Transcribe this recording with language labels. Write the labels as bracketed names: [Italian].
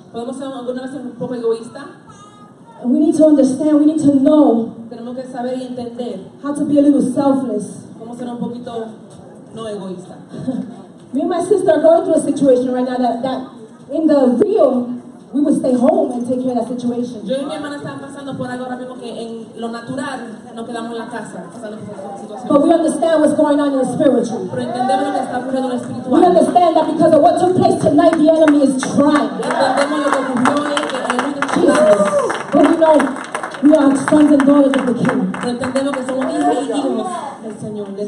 [Spanish] Podemos ser alguna vez un poco egoísta. [English] And we need to understand, we need to know. [Spanish] Tenemos que saber y entender. [English] How to be a little selfless. [Spanish] Cómo ser un poquito no egoísta. [English] Me and my sister are going through a situation right now that in the real, we would stay home and take care of that situation. [Spanish] Yo y mi hermana están pasando por algo ahora mismo que en lo natural nos quedamos en la casa pasando por esa situación. [English] But we understand what's going on in the spiritual. [Spanish] Pero entendemos lo que está ocurriendo en lo espiritual. [English] We understand that because of what took place tonight, the enemy is trying. [Spanish] Entendemos lo que ocurrió hoy que el enemy está trabajando. [English] But we know we are sons and daughters of the King. [Spanish] Pero entendemos que somos hijos y hijas del Señor.